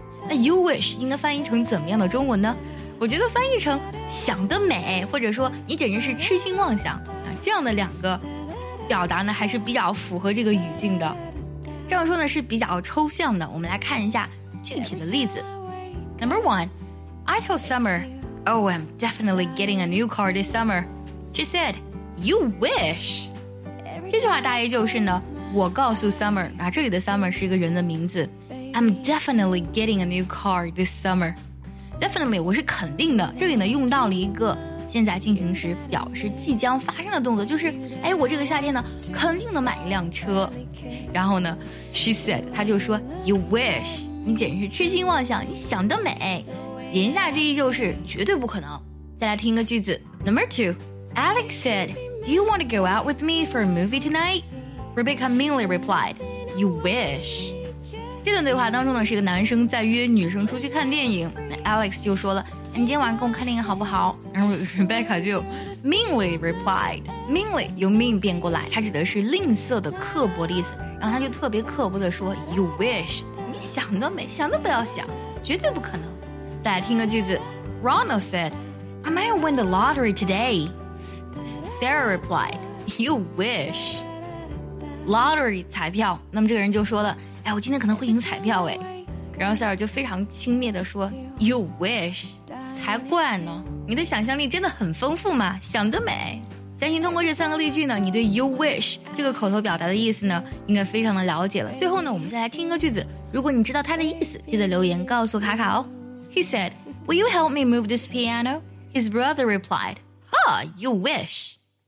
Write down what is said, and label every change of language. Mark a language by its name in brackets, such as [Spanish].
[Chinese] 那 [English] you wish [Chinese] 应该翻译成怎么样的中文呢？我觉得翻译成想得美，或者说你简直是痴心妄想啊，这样的两个表达呢还是比较符合这个语境的。这样说呢是比较抽象的，我们来看一下具体的例子。 [English] Number one, I told Summer, oh, I'm definitely getting a new car this summer. She said, you wish. [Chinese] 这句话大意就是呢，我告诉 Summer 啊，这里的 Summer 是一个人的名字， [English] I'm definitely getting a new car this summer. [Chinese] Definitely, 我是肯定的。这里呢用到了一个现在进行时，表示即将发生的动作，就是哎，我这个夏天呢肯定能买一辆车。然后呢 [English] she said, [Chinese] 她就说 [English] you wish, [Chinese] 你简直是痴心妄想，你想得美。言下之意就是绝对不可能。再来听一个句子。 [English] Number two, Alex said, do you want to go out with me for a movie tonight? Rebecca Miller replied, you wish. [Chinese] 这段对话当中呢，是一个男生在约女生出去看电影， Alex 就说了，你今天晚上跟我看电影好不好？然后 Rebecca 就 [English] meanly replied， [Chinese] meanly 由 mean 变过来，它指的是吝啬的刻薄的意思，然后他就特别刻薄的说 [English] you wish， [Chinese] 你想得美，想都不要想，绝对不可能。再来听个句子。 [English] Ronald said, I might win the lottery today. Sarah replied, you wish. [Chinese] Lottery 彩票，那么这个人就说了，哎，我今天可能会赢彩票哎。然后塞尔就非常轻蔑地说 [English] You wish， [Chinese] 才怪呢，你的想象力真的很丰富嘛，想得美。相信通过这三个例句呢，你对 [English] You wish [Chinese] 这个口头表达的意思呢应该非常的了解了。最后呢，我们再来听一个句子，如果你知道它的意思，记得留言告诉卡卡哦。 [English] He said, Will you help me move this piano? His brother replied, Ha, you wish.